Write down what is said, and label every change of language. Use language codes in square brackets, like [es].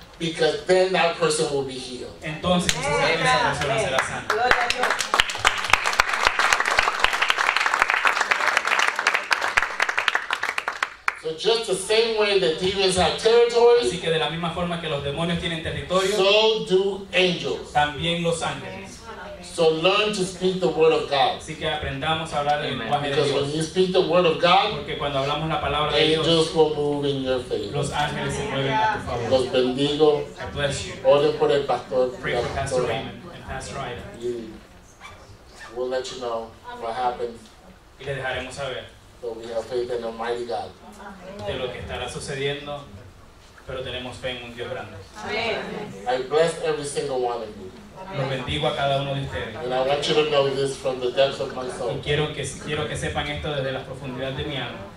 [en] Because then that person will be healed. [es] Entonces esa persona será sana. Gloria a Dios. [en] So just the same way that demons have territories, [es] así que de la misma forma que los demonios tienen territorio, [en] so do angels. [es] También los ángeles. [en] So learn to speak the word of God. [es] Así que aprendamos a hablar el lenguaje [en] because [es] de Dios. [en] When you speak the word of God, [es] porque cuando hablamos la palabra [en] angels [es] de Dios, [en] will move in your favor. [es] Los ángeles se mueven a tu favor. Los bendigo. [en] I bless you. [es] Oren por el pastor. [en] Pray for Pastor Raymond and Pastor Ida. We'll let you know what happens. [es] Y le dejaremos saber. [en] So we have faith in Almighty God. [es] De lo que estará sucediendo, pero tenemos fe en un Dios grande. [en] I bless every single one of you. [es] Los bendigo a cada uno de ustedes. [en] And I want you to know this from the depths of my soul. [es] Y quiero que sepan esto desde las profundidades de mi alma.